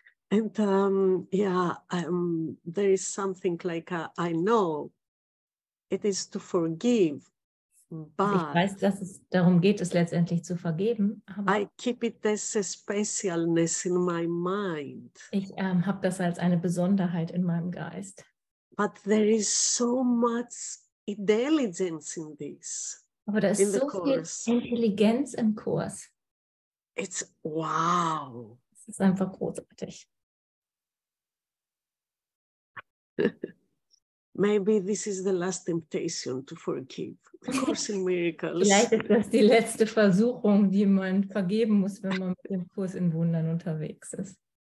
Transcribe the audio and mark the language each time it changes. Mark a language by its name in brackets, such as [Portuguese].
[English] And there is something like I know it is to forgive, but [German] ich weiß, dass es darum geht, es letztendlich zu vergeben. [English] Aber I keep it as a specialness in my mind. [German] Ich habe das als eine Besonderheit in meinem Geist. [English] But there is so much intelligence in this. [German] Aber da ist in so viel Intelligenz im Kurs. [English] It's wow. [German] Es ist einfach großartig. [English] Maybe this is the last temptation to forgive. Of course, in miracles. [German] Vielleicht ist das die letzte Versuchung, die man vergeben muss, wenn man mit dem Kurs in Wundern unterwegs ist.